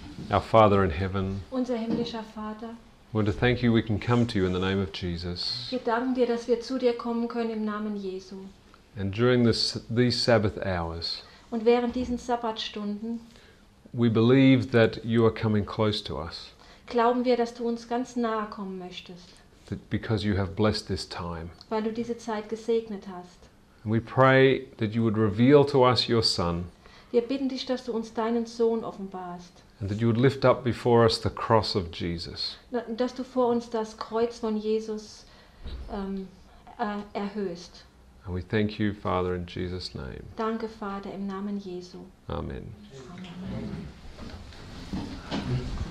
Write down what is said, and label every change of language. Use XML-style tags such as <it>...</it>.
<en>Our Father in heaven.</en> <de>Unser himmlischer Vater.</de> <en>We want to thank you we can come to you in the name of Jesus.</en> <de>Wir danken dir, dass wir zu dir kommen können im Namen Jesu.</de> <en>And during these Sabbath hours.</en> <de>Und während diesen Sabbatstunden.</de> <en>We believe that you are coming close to us.</en> <de>Glauben wir, dass du uns ganz nahe kommen möchtest.</de> <en>That because you have blessed this time.</en> <de>Weil du diese Zeit gesegnet hast.</de> <en>And we pray that you would reveal to us your Son.</en> <de>Wir bitten dich, dass du uns deinen Sohn offenbarst.</de> <en>And that you would lift up before us the cross of Jesus.</en> <de>Dass du vor uns das Kreuz von Jesus erhöhst.</de> <en>And we thank you, Father, in Jesus' name.</en> <de>Danke, Vater, im Namen Jesu. Amen. Amen.</de>